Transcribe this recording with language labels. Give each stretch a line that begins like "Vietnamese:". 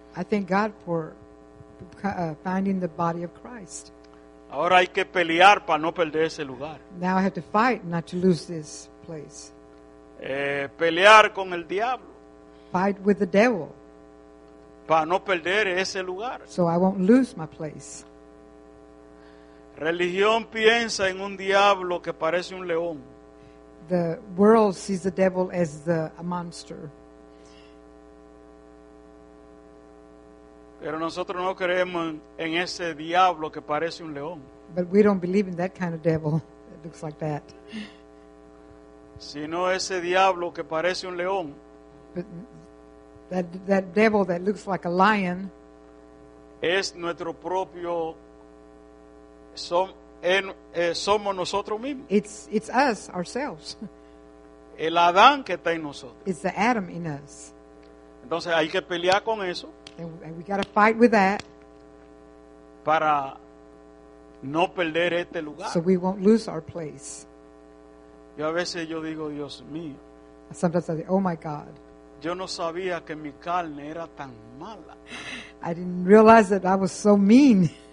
English: I thank God for finding the body of Christ.
Spanish: Ahora hay que pelear para no perder ese lugar.
English: Now I have to fight not to lose this place.
Spanish: Pelear con el diablo.
English: Fight with the devil.
Spanish: Para no perder ese lugar.
English: So I won't lose my place.
Spanish: Religión piensa en un diablo que parece un león.
English: The world sees the devil as a monster.
Spanish: Pero nosotros no creemos en ese diablo que parece un león.
English: But we don't believe in that kind of devil that looks like that.
Spanish: Sino ese diablo que parece un león.
English: That devil that looks like a lion
Spanish: es nuestro propio somos nosotros mismos.
English: It's us ourselves.
Spanish: El Adán que está en nosotros.
English: It's the Adam in us.
Spanish: Entonces hay que pelear con eso.
English: And we got to fight with that
Spanish: para no perder este lugar.
English: So we won't lose our place.
Spanish: Yo a veces yo digo Dios mío.
English: Sometimes I say, oh my God.
Spanish: Yo no sabía que mi carne era tan mala.
English: I didn't realize that I was so mean.